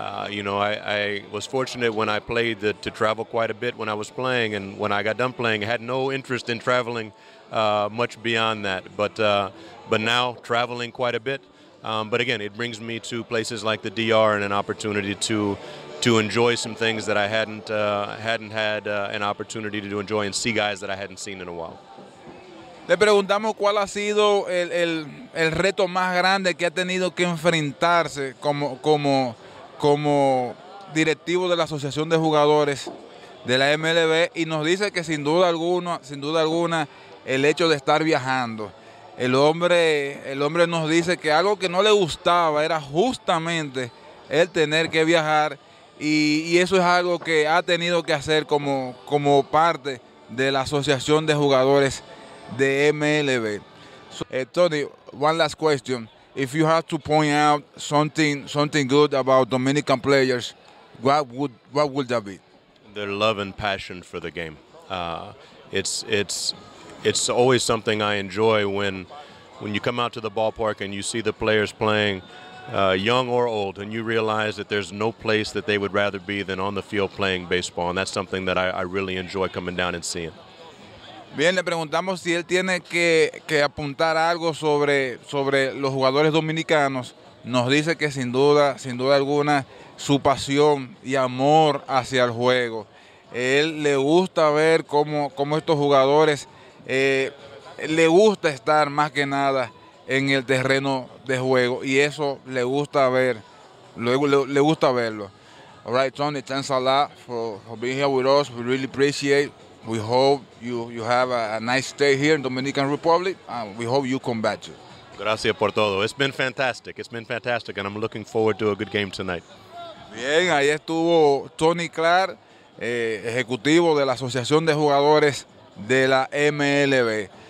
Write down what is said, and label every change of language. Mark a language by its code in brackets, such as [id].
[en] You know, I was fortunate when I played to travel quite a bit when I was playing, and when I got done playing, I had no interest in traveling much beyond that. But now traveling quite a bit. But again, it brings me to places like the DR and an opportunity to enjoy some things that I hadn't had an opportunity to enjoy and see guys that I hadn't seen in a while. [es] Le preguntamos cuál ha sido el reto más grande que ha tenido que enfrentarse como directivo de la Asociación de Jugadores de la MLB, y nos dice que sin duda alguna el hecho de estar viajando. El hombre nos dice que algo que no le gustaba era justamente el tener que viajar, y eso es algo que ha tenido que hacer como parte de la Asociación de Jugadores de MLB. [en] So, Tony, one last question. If you had to point out something good about Dominican players, what would that be? Their love and passion for the game. It's always something I enjoy when you come out to the ballpark and you see the players playing, young or old, and you realize that there's no place that they would rather be than on the field playing baseball, and that's something that I really enjoy coming down and seeing. [es] Bien, le preguntamos si él tiene que apuntar algo sobre los jugadores dominicanos. Nos dice que sin duda alguna su pasión y amor hacia el juego. Él le gusta ver cómo estos jugadores, le gusta estar más que nada en el terreno de juego, y eso le gusta ver, luego le gusta verlo. [en] All right, Tony, thanks a lot for being here with us. We really appreciate. We hope you have a nice stay here in Dominican Republic, and we hope you come back too. [es] Gracias por todo. [en] It's been fantastic. It's been fantastic, and I'm looking forward to a good game tonight. [es] Bien, ahí estuvo Tony Clark, ejecutivo de la Asociación de Jugadores de la MLB.